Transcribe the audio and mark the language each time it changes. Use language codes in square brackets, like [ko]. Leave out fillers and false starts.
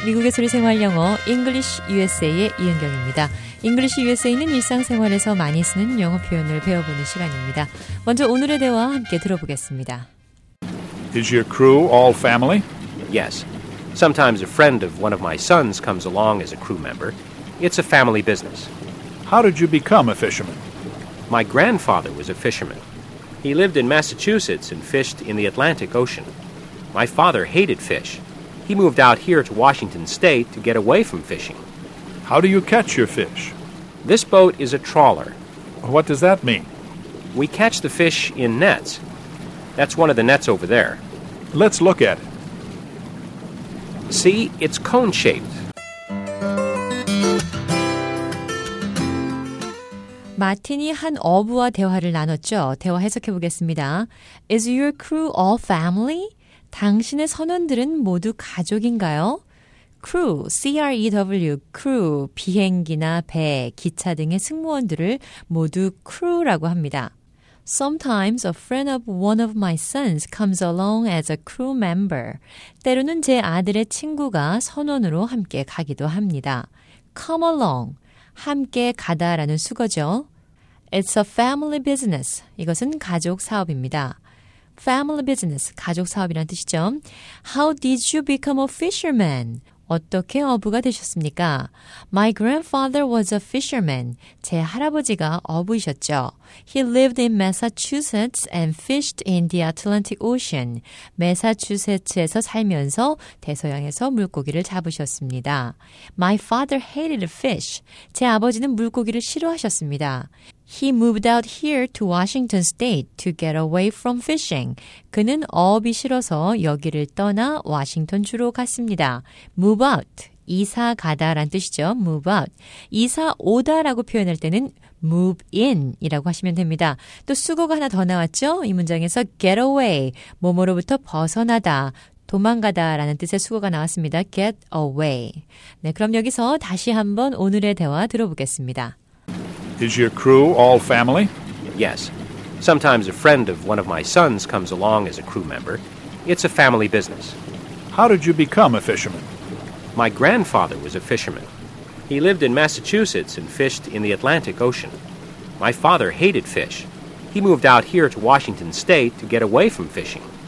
[ko] 미국에서 우리 생활 영어 English USA의 이은경입니다. English USA는 일상생활에서 많이 쓰는 영어 표현을 배워보는 시간입니다. 먼저 오늘의 대화 함께 들어보겠습니다. [en] Is your crew all family? Yes. Sometimes a friend of one of my sons comes along as a crew member. It's a family business. How did you become a fisherman? My grandfather was a fisherman. He lived in Massachusetts and fished in the Atlantic Ocean. My father hated fish. He moved out here to Washington State to get away from fishing. How do you catch your fish? This boat is a trawler. What does that mean? We catch the fish in nets. That's one of the nets over there. Let's look at it. See, it's cone-shaped. [ko] 마틴이 한 어부와 대화를 나눴죠. 대화 해석해 보겠습니다. [en] Is your crew all family? [ko] 당신의 선원들은 모두 가족인가요? Crew, C-R-E-W, crew, 비행기나 배, 기차 등의 승무원들을 모두 crew라고 합니다. [en] Sometimes a friend of one of my sons comes along as a crew member. [ko] 때로는 제 아들의 친구가 선원으로 함께 가기도 합니다. [en] Come along, [ko] 함께 가다라는 수거죠. [en] It's a family business. [ko] 이것은 가족 사업입니다. [en] Family business, [ko] 가족 사업이란 뜻이죠. [en] How did you become a fisherman? [ko] 어떻게 어부가 되셨습니까? [en] My grandfather was a fisherman. [ko] 제 할아버지가 어부이셨죠. [en] He lived in Massachusetts and fished in the Atlantic Ocean. [ko] 매사추세츠에서 살면서 대서양에서 물고기를 잡으셨습니다. [en] My father hated fish. [ko] 제 아버지는 물고기를 싫어하셨습니다. [en] He moved out here to Washington State to get away from fishing. [ko] 그는 어업이 싫어서 여기를 떠나 워싱턴 주로 갔습니다. [en] Move out, [ko] 이사 가다란 뜻이죠. Move out, 이사 오다라고 표현할 때는 [en] move in [ko] 이라고 하시면 됩니다. 또 수거가 하나 더 나왔죠. 이 문장에서 [en] get away, [ko] 뭐뭐로부터 벗어나다, 도망가다라는 뜻의 수거가 나왔습니다. [en] Get away. [ko] 네, 그럼 여기서 다시 한번 오늘의 대화 들어보겠습니다. [en] Is your crew all family? Yes. Sometimes a friend of one of my sons comes along as a crew member. It's a family business. How did you become a fisherman? My grandfather was a fisherman. He lived in Massachusetts and fished in the Atlantic Ocean. My father hated fish. He moved out here to Washington State to get away from fishing.